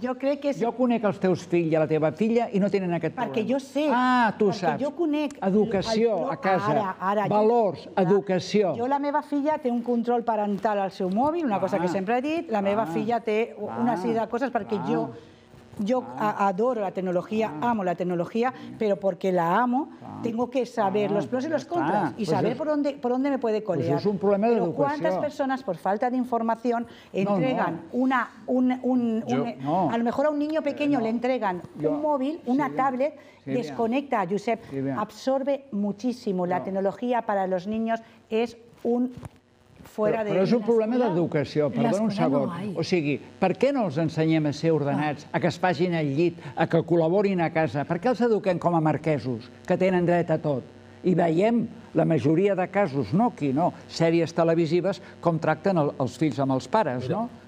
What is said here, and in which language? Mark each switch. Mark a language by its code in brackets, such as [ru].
[ca] Jo crec que... Jo conec els teus fills i la teva filla i no tenen aquest problema. Perquè jo sé... Ah, tu ho saps. Jo conec... Educació a casa, valors, educació. Jo, la meva filla té un control parental al seu mòbil, una cosa que sempre he dit. La meva filla té una sèrie de coses perquè jo... Jo adoro la tecnologia, amo la tecnologia, però perquè la amo, [es] tengo que saber los pros y los contras y saber por dónde me puede colear. Pues es un problema de educación. Pero cuántas personas, por falta de información, entregan una... A lo mejor a un niño pequeño le entregan un móvil, una tablet, desconecta, Josep, absorbe muchísimo. La tecnología para los niños es un... [ca] Però és un problema d'educació, perdona un segon. O sigui, per què no els ensenyem a ser ordenats, a que es facin al llit, a que col·laborin a casa? Per què els eduquem com a marquesos, que tenen dret a tot? I veiem la majoria de casos, no aquí, no, sèries televisives, com tracten els fills amb els pares, no?